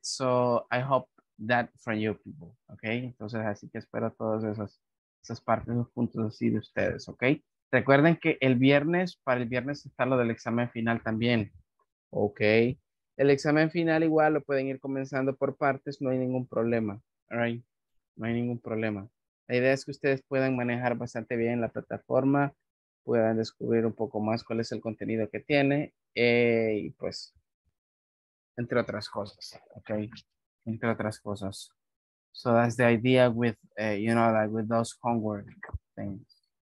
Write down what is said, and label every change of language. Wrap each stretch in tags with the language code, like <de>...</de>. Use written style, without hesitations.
<en>So I hope that for you people, okay?</en> <es>Entonces, así que espero todas esas partes, esos puntos así de ustedes, okay? Recuerden que el viernes, para el viernes está lo del examen final también, okay? El examen final igual lo pueden ir comenzando por partes, no hay ningún problema. All right, no hay ningún problema. La idea es que ustedes puedan manejar bastante bien la plataforma, puedan descubrir un poco más cuál es el contenido que tiene, y pues, entre otras cosas, okay, entre otras cosas.</es> <en>So that's the idea with, you know, like with those homework things.</en>